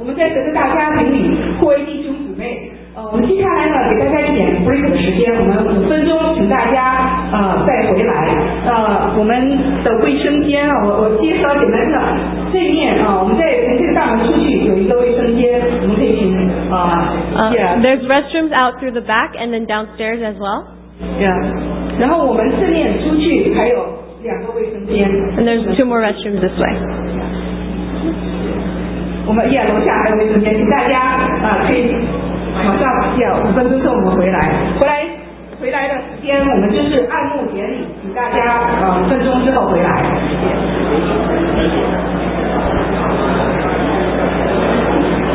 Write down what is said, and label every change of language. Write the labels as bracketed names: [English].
[Chinese] 们在整个大家庭里作为弟兄姊妹。我们接下来呢，给大家一点 break 的时间，我们五分钟，请大家再回来。我们的卫生间啊，我介绍简单的这面啊，我们在从这个大门出去有一个卫生间，我们可以请 [English] There's restrooms out through the back and then downstairs as well. Yeah. [Chinese] 然后我们正面出去还有两个卫生间。 [English] And there's two more restrooms this way. [Chinese] 我们楼下还有卫生间，请大家可以。马上五分钟之后我们回来的时间我们就是按目典礼，请大家五分钟之后回来。